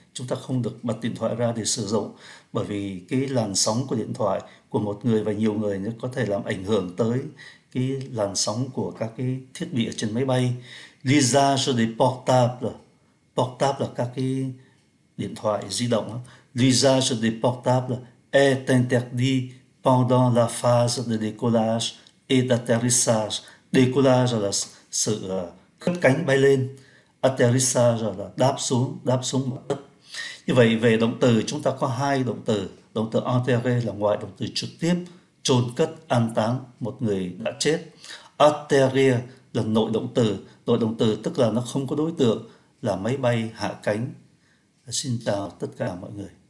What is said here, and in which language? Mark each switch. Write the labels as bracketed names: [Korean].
[Vietnamese] Chúng ta không được bật điện thoại ra để sử dụng, bởi vì cái làn sóng của điện thoại của một người và nhiều người nó có thể làm ảnh hưởng tới cái làn sóng của các cái thiết bị ở trên máy bay. [French] L'usage des portables, [Vietnamese] portable là các cái điện thoại di động. [French] L'usage des portables est interdit pendant la phase de décollage et d'atterrissage. [Vietnamese] Décollage là sự cất cánh bay lên, atterrissage là đáp xuống mặt đất. Như vậy về động từ chúng ta có hai động từ enterrer là ngoại động từ trực tiếp, chôn cất an táng một người đã chết. Atterrir là nội động từ tức là nó không có đối tượng là máy bay hạ cánh. Xin chào tất cả mọi người.